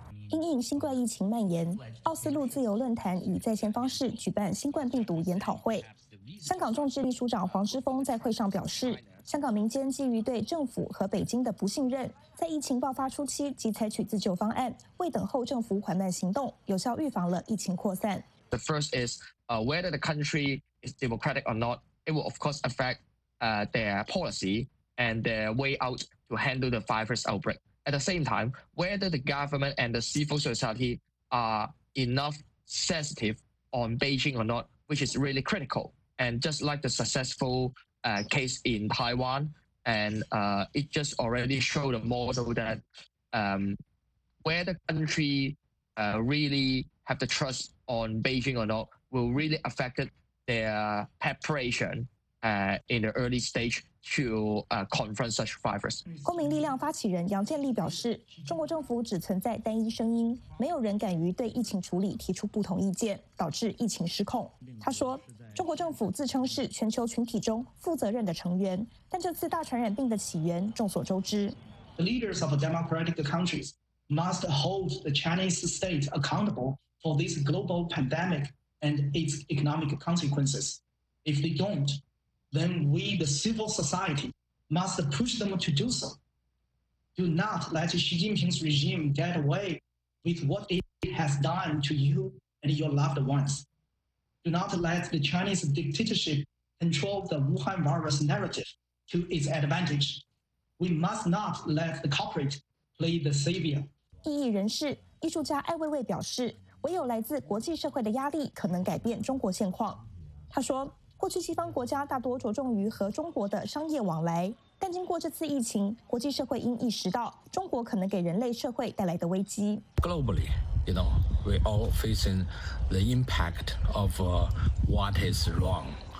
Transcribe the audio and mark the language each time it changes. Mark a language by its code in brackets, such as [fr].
[zh] 因应新冠疫情蔓延，奥斯陆自由论坛以在线方式举办新冠病毒研讨会。香港众志秘书长黄之锋在会上表示，香港民间基于对政府和北京的不信任，在疫情爆发初期即采取自救方案，未等候政府缓慢行动，有效预防了疫情扩散。 [en] The first is whether the country is democratic or not, it will of course affect their policy and their way out to handle the virus outbreak. At the same time, whether the government and the civil society are enough sensitive on Beijing or not, which is really critical. And just like the successful case in Taiwan, and it just already showed a model that where the country really have the trust on Beijing or not will really affect their preparation in the early stage to confront such virus. [zh] 公民力量发起人杨建立表示，中国政府只存在单一声音，没有人敢于对疫情处理提出不同意见，导致疫情失控。他说。中国政府自称是全球群体中负责任的成员，但这次大传染病的起源众所周知。 [en] The leaders of democratic countries must hold the Chinese state accountable for this global pandemic and its economic consequences. If they don't, then we, the civil society, must push them to do so. Do not let Xi Jinping's regime get away with what it has done to you and your loved ones. Do not let the Chinese dictatorship control the Wuhan virus narrative to its advantage. We must not let the culprit play the savior. [zh] 异议人士、艺术家艾薇薇表示，唯有来自国际社会的压力可能改变中国现况。他说，过去西方国家大多着重于和中国的商业往来，但经过这次疫情，国际社会应意识到中国可能给人类社会带来的危机。 [en] Globally. You know, we're all facing the impact of what is wrong.